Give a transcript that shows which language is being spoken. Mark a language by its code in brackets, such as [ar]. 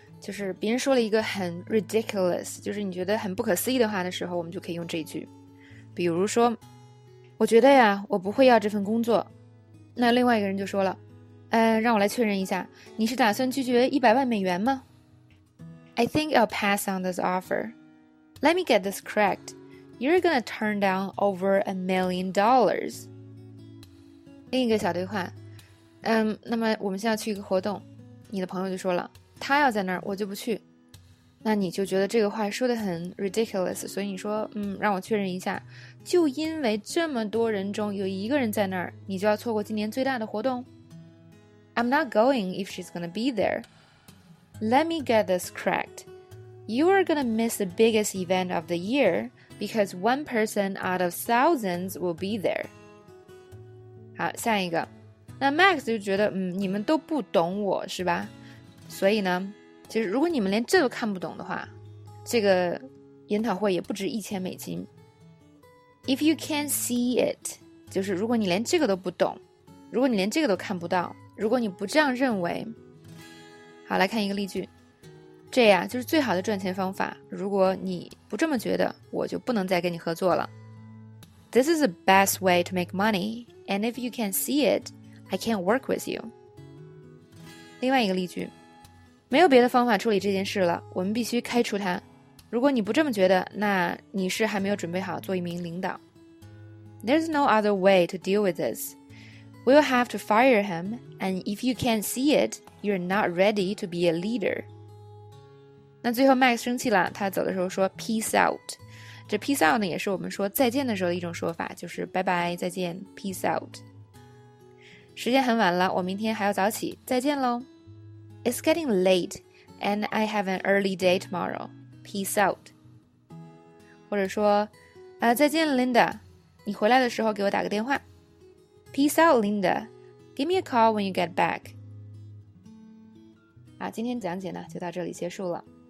[zh] 就是别人说了一个很 ridiculous， 就是你觉得很不可思议的话的时候，我们就可以用这句。比如说，我觉得呀，我不会要这份工作。那另外一个人就说了。让我来确认一下，你是打算拒绝$1,000,000吗 ？ [en] I think I'll pass on this offer. Let me get this correct. You're gonna turn down over $1,000,000. [zh] 另一个小对话，那么我们现在去一个活动，你的朋友就说了，他要在那儿，我就不去。那你就觉得这个话说得很 ridiculous， 所以你说，让我确认一下，就因为这么多人中有一个人在那儿，你就要错过今年最大的活动？ [en] I'm not going if she's gonna be there. Let me get this correct. You are gonna miss the biggest event of the year because one person out of thousands will be there. [zh] 好，下一个。那 Max 就觉得，你们都不懂我是吧？所以呢，其实如果你们连这都看不懂的话，这个研讨会也不值$1,000。 [en] If you can't see it, [zh] 就是如果你连这个都不懂，如果你连这个都看不到。如果你不这样认为，好，来看一个例句，这呀就是最好的赚钱方法。如果你不这么觉得，我就不能再跟你合作了。 [en] This is the best way to make money, and if you can't see it, I can't work with you. [zh] 另外一个例句，没有别的方法处理这件事了，我们必须开除他。如果你不这么觉得，那你是还没有准备好做一名领导。 [en] There's no other way to deal with this. We'll have to fire him, and if you can't see it, you're not ready to be a leader. [zh] 那最后 Max 生气了，他走的时候说 peace out. 这 peace out 呢，也是我们说再见的时候的一种说法，就是拜拜，再见， peace out. 时间很晚了，我明天还要早起，再见咯。 [en] It's getting late, and I have an early day tomorrow. Peace out. [zh] 或者说，再见 Linda, 你回来的时候给我打个电话。 [en] Peace out, Linda. Give me a call when you get back. [zh] 今天讲解呢，就到这里结束了。